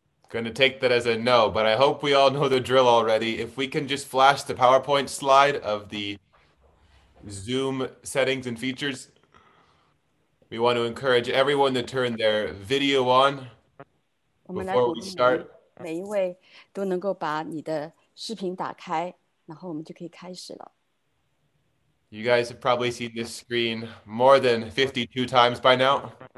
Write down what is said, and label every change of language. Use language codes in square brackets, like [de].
[en] Going to take that as a no, but I hope we all know the drill already. If we can just flash the PowerPoint slide of the Zoom settings and features, we want to encourage everyone to turn their video on before we start. [zh] 我们来鼓励每一位都能够把你的视频打开，然后我们就可以开始了。You [en] guys have probably seen this screen more than 52 times by now.